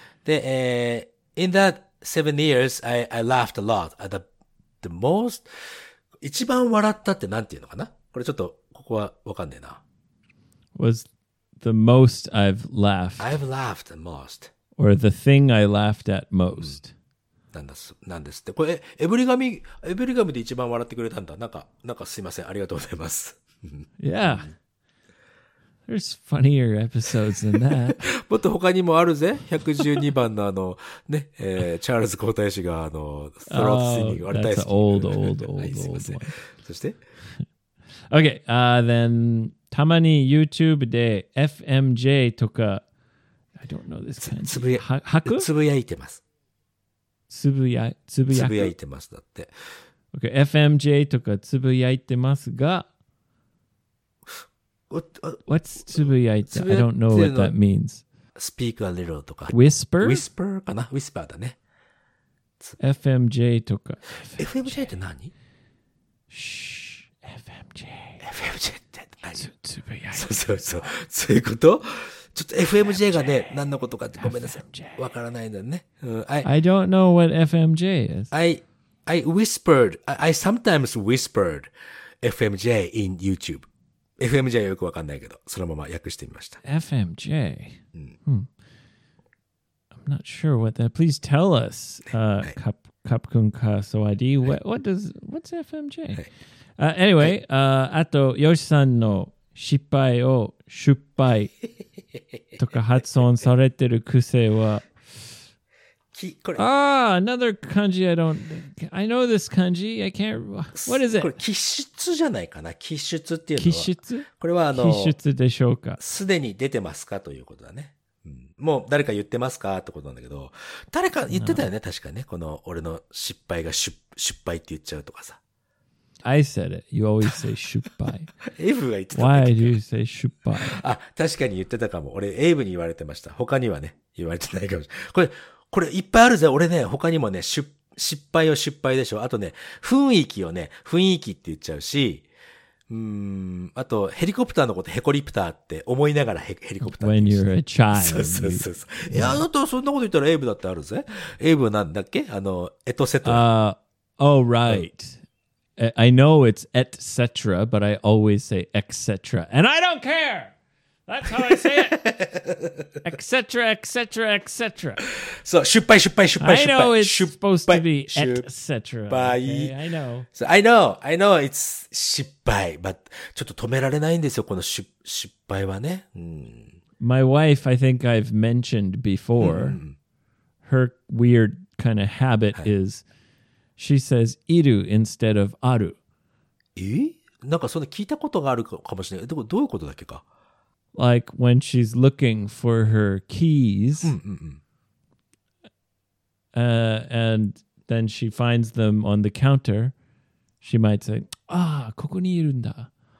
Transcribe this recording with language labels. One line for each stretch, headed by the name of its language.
English: で、in that 7 years, I laughed a lot at the most,
Japanese: 一番笑ったってなんていうのかな？これちょっと、ここはわかんねえな。
English: Was... The most I've laughed. I've laughed the most. Or the thing I laughed at most.
Japanese: なんです、なんですって。これ、エブリガミ、エブリガミで一番笑ってくれたんだ。なんかすいません。ありがとうございます。
English: Yeah. There's funnier episodes than that.
Japanese: もっと他にもあるぜ。 112番のあの、ね、チャールズ皇太子があの、ストロースイング、あれ大好き。
English: That's old, old, old, old, old one.
Japanese: そして
English: Okay, then...
Japanese: たまに YouTube で FMJ とか、
English: I don't know this kind.
Japanese: つぶやいてます。つぶやいてますだって。 Okay, FMJ とかつぶやいてますが、What's つぶやいて?
English: I don't know what that means. Speak a little とか。 Whisper?
Japanese: Whisper かな?Whisper だね。 FMJ とか。 FMJ って何? Shh, FMJ。 FMJ って。つぶやいて。そう。そういうこと? ちょっと FMJ がね、何のことかってごめんなさい。わからないんだよね。
English: I don't know what FMJ is. I whispered, I sometimes whispered FMJ in YouTube.
Japanese: FMJ はよくわかんないけど、そのまま訳してみました。
English: FMJ?、I'm not sure what that, please tell us, Kapkun Kasawadi, what's FMJ?、はいanyway,、はい、
Japanese: あと、ヨシさんの失敗を失敗とか発音されてる癖は。これ。
English: ああ、another 漢字 I don't, I know this 漢字 I can't, what is it?
Japanese: これ、気質じゃないかな気質っていうのは。気質これは、気質でしょうか。すでに出てますかということだね。もう誰か言ってますかってことなんだけど、誰か言ってたよね確かね。この俺の失敗が失敗って言っちゃうとかさ。
English: I said it. You always say 失敗.
Japanese: Ave が言ってたんだけど。
English: Why do you say 失敗?
Japanese: あ、確かに言ってたかも。俺、Ave に言われてました。他にはね、言われてないかもしれない。これいっぱいあるぜ。俺ね、他にもね、失敗を失敗でしょ。あとね、雰囲気をね、雰囲気って言っちゃうし、あと、ヘリコプターのことヘコリプターって思いながらヘリコプターって言っちゃう。
English: When you're a child.
Japanese: そう。いや、あなたそんなこと言ったら Ave だってあるぜ。 Ave はなんだっけ?あの、エトセト
English: ラ。Oh, right.、うんI know it's et cetera, but I always say et cetera. And I don't care! That's how I say it! et cetera, et cetera, et cetera. So, 失敗失敗失敗失敗 I know it's supposed to be et cetera. Okay? I know. So, I know it's
Japanese: 失敗, but ちょっと止められないんですよ、この失敗はね。
English: My wife, I think I've mentioned before, her weird kind of habit is... She says, いる instead of ある。
Japanese: え? なんかそんな聞いたことがあるかもしれない。どういうことだっけか?
English: Like when she's looking for her keys, and then she finds them on the counter, she might say,
Japanese: ああ、ここにいるんだ。